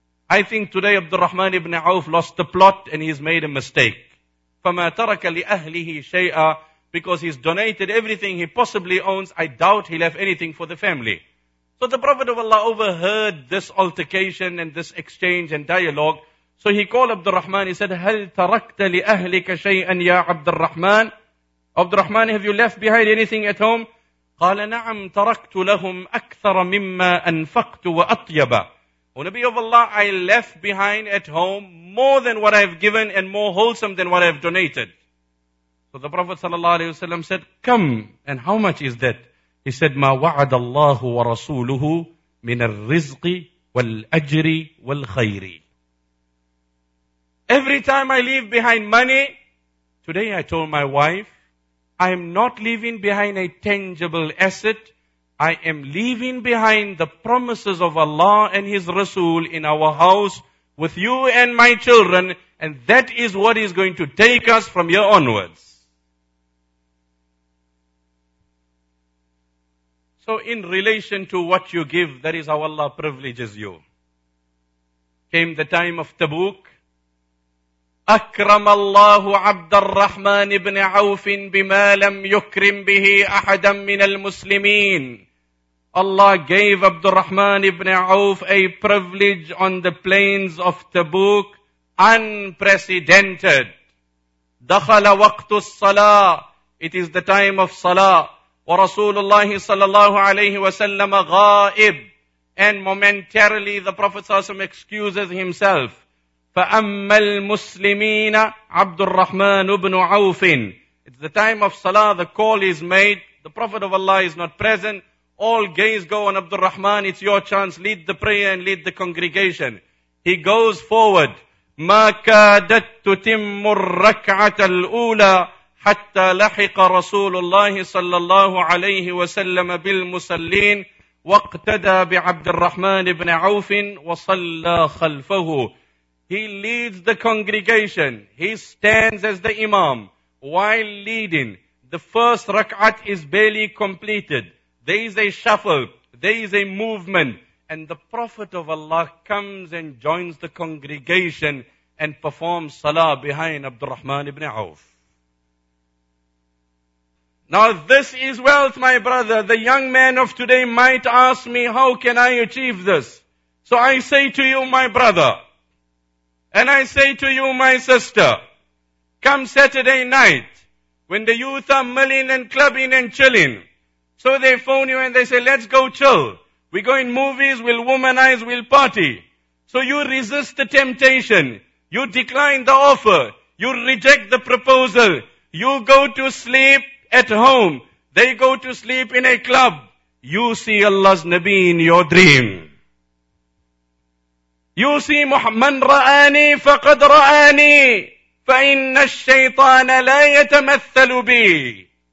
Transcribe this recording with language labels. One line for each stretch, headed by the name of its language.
English: I think today Abdurrahman ibn Auf lost the plot and he's made a mistake.
Arabic: فَمَا تَرَكَ لِأَهْلِهِ شَيْئًا.
English: Because he's donated everything he possibly owns, I doubt he left anything for the family. So the Prophet of Allah overheard this altercation and this exchange and dialogue. So he called Abdurrahman, he said,
Arabic: هَلْ تَرَكْتَ لِأَهْلِكَ شَيْئًا يَا عَبْدُ الرَّحْمَنِ.
English: Abdurrahman, have you left behind anything at home?
Arabic: قَالَ نَعَمْ تَرَكْتُ لَهُمْ أَكْثَرَ مِمَّا أَنْفَقْتُ وَأَطْيَبَ.
English: O Nabi of Allah, I left behind at home more than what I have given and more wholesome than what I have donated. So the Prophet ﷺ said, come, and how much is that?
Arabic: He said, مَا وَعَدَ اللَّهُ وَرَسُولُهُ مِنَ الرِّزْقِ وَالْأَجْرِ وَالْخَيْرِ.
English: Every time I leave behind money, today I told my wife, I am not leaving behind a tangible asset. I am leaving behind the promises of Allah and His Rasul in our house with you and my children. And that is what is going to take us from here onwards. So in relation to what you give, that is how Allah privileges you. Came the time of Tabuk.
Arabic: أكرم الله عبد الرحمن بن عوف بما لم يكرم به أحدا من المسلمين.
English: Allah gave عبد الرحمن بن عوف a privilege on the plains of Tabuk, unprecedented.
Arabic: دخل وقت الصلاة.
English: It is the time of salah.
Arabic: ورسول الله صلى الله عليه وسلم غائب.
English: And momentarily the Prophet صلى الله عليه وسلم excuses himself.
Arabic: فأما المسلمين عبد الرحمن بن عوف.
English: It's the time of salah, the call is made. The Prophet of Allah is not present. All gaze go on Abdul Rahman. It's your chance. Lead the prayer and lead the congregation. He goes forward.
Arabic: ما كادت تتم الركعة الأولى حتى لحق رسول الله صلى الله عليه وسلم بالمسلين واقتدى بعبد الرحمن بن عوف وصلى خلفه.
English: He leads the congregation. He stands as the imam. While leading, the first rak'at is barely completed. There is a shuffle. There is a movement. And the Prophet of Allah comes and joins the congregation and performs salah behind Abdurrahman ibn Auf. Now this is wealth, my brother. The young man of today might ask me, how can I achieve this? So I say to you, my brother, and I say to you, my sister, come Saturday night, when the youth are milling and clubbing and chilling, so they phone you and they say, let's go chill. We go in movies, we'll womanize, we'll party. So you resist the temptation. You decline the offer. You reject the proposal. You go to sleep at home. They go to sleep in a club. You see Allah's Nabi in your dream. You see,
Arabic: مَنْ رَآنِي فَقَدْ رَآنِي فَإِنَّ الشَّيْطَانَ لَا يَتَمَثَّلُ بِي.